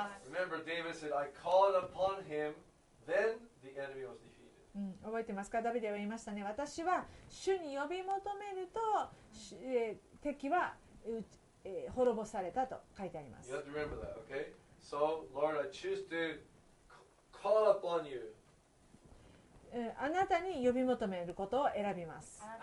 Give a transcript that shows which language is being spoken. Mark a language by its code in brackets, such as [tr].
[en] Remember, David said, I called upon him, then the enemy was defeated. [ja] うん、覚えてますか。ダビデは言いましたね。私は主に呼び求めると、敵は、滅ぼされたと書いてあります。 [en] You have to remember that, okay? So, Lord, I choose to call upon you. [ja] あなたに呼び求めることを選びます。